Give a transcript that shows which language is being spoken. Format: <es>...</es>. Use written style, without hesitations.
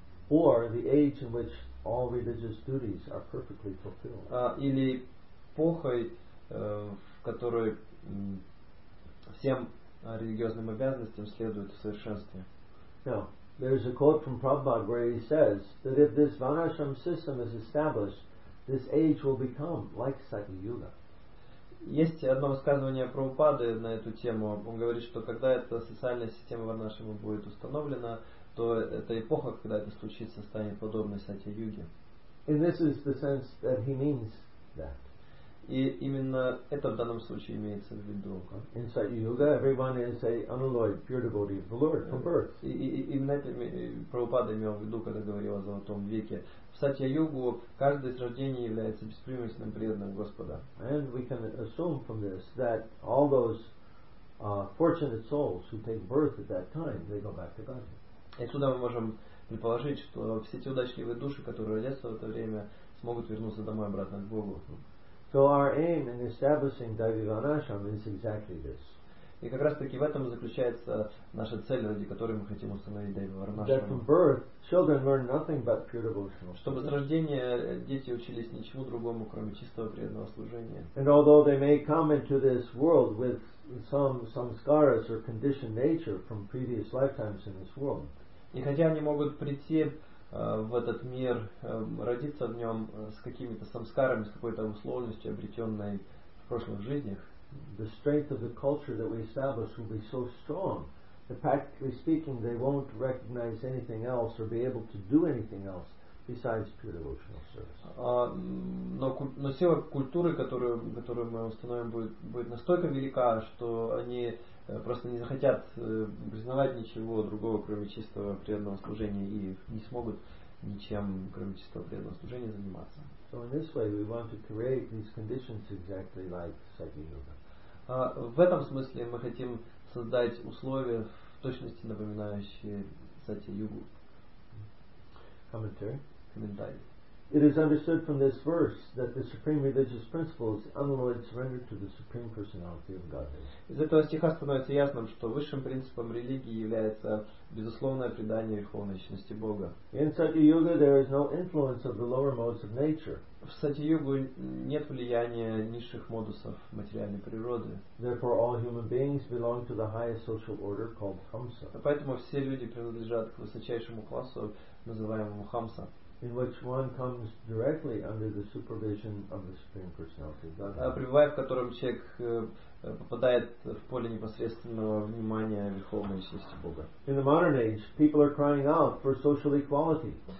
<en>Or the age in which all religious duties are perfectly fulfilled.</en> <ru>Или эпохой, в которой всем религиозным обязанностям следует в совершенстве.</ru> <en>Now, there is a quote from Prabhupada where he says that if this Vanashram system is established, this age will become like Satya Yuga.</en> <ru>Есть одно высказывание Прабхупады на эту тему. Он говорит, что когда эта социальная система Варнашрама будет установлена, то эта эпоха, когда это случится, станет подобной Сатья-юге.</ru> <en>And this is the sense that he means that.</en> <ru>И именно это в данном случае имеется в виду.</ru> <en>In Satya-yuga, everyone is a unalloyed pure devotee of the Lord from birth.</en> <ru>Именно это Прабхупада имел в виду, когда говорил о Золотом веке. В Сатья-югу каждое с рождения является беспримесным преданным Господа.</ru> <en>And we can assume from this that all those fortunate souls who take birth at that time, they go back to God.</en> <ru>И отсюда мы можем предположить, что все те удачливые души, которые родятся в это время, смогут вернуться домой обратно к Богу.</ru> <en>So our aim in establishing Devi Vanashram is exactly this.</en> <ru>И как раз таки в этом заключается наша цель, ради которой мы хотим установить Деви Варнашрам.</ru> <en>That from birth, children learn nothing but pure devotion.</en> <ru>Чтобы с рождения дети учились ничему другому, кроме чистого преданного служения.</ru> <en>And although they may come into this world with some samskaras or conditioned nature from previous lifetimes in this world.</en> <ru>И хотя они могут прийти в этот мир, родиться в нем с какими-то самскарами, с какой-то условностью, обретенной в прошлых жизнях.</ru> <en>The strength of the culture that we establish will be so strong that practically speaking they won't recognize anything else or be able to do anything else besides pure devotional service.</en> <ru>Но сила культуры, которую мы установим, будет настолько велика, что они просто не захотят признавать ничего другого, кроме чистого преданного служения, и не смогут ничем, кроме чистого преданного служения, заниматься.</ru> <en>So in this way we want to create these conditions exactly like Satya Yuga.</en> <ru>В этом смысле мы хотим создать условия, в точности напоминающие Сатья-югу. Комментарий.</ru> <en>It is understood from this verse that the supreme religious principle is unalloyed surrender to the supreme personality of Godhead.</en> <ru>Из этого стиха становится ясно, что высшим принципом религии является безусловное предание верховной личности Бога.</ru> <en>In Satya-yuga there is no influence of the lower modes of nature.</en> <ru>В Сатья-югу нет влияния низших модусов материальной природы.</ru> <en>Therefore all human beings belong to the highest social order called Hamsa.</en> <ru>Поэтому все люди принадлежат к высочайшему классу, называемому Хамса.</ru> <en>in which one comes directly under the supervision of the Supreme Personality of Godhead.</en> <ru>Пребывая в котором человек попадает в поле непосредственного внимания Верховной Личности Бога.</ru> <en>In the modern age, people are crying out for social equality.</en>